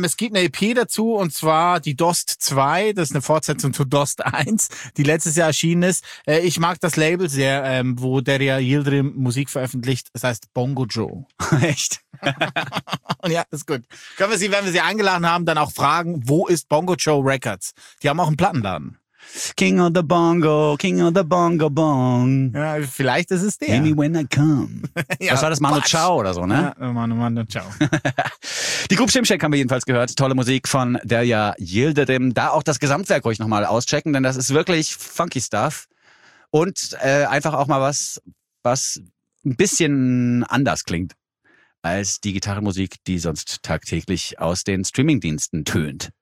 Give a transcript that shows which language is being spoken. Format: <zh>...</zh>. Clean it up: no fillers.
<de>Es gibt eine EP dazu, und zwar die Dost 2. Das ist eine Fortsetzung zu Dost 1, die letztes Jahr erschienen ist. Ich mag das Label sehr, wo Derya Yildirim Musik veröffentlicht. Das heißt Bongo Joe. Echt? Und ja, ist gut. Können wir sie, wenn wir sie eingeladen haben, dann auch fragen, wo ist Bongo Joe Records? Die haben auch einen Plattenladen.</de> <en>King of the Bongo, King of the Bongo Bong.</en> <de>Ja, vielleicht ist es der.</de> <en>Hit me when I come.</en> <de>Ja, das war das Manu Chao oder so, ne? Ja, Manu Chao. Die Group Shimshack haben wir jedenfalls gehört. Tolle Musik von Derya Yildirim. Da auch das Gesamtwerk ruhig nochmal auschecken, denn das ist wirklich funky stuff. Und einfach auch mal was ein bisschen anders klingt als die Gitarrenmusik, die sonst tagtäglich aus den Streamingdiensten tönt.</de>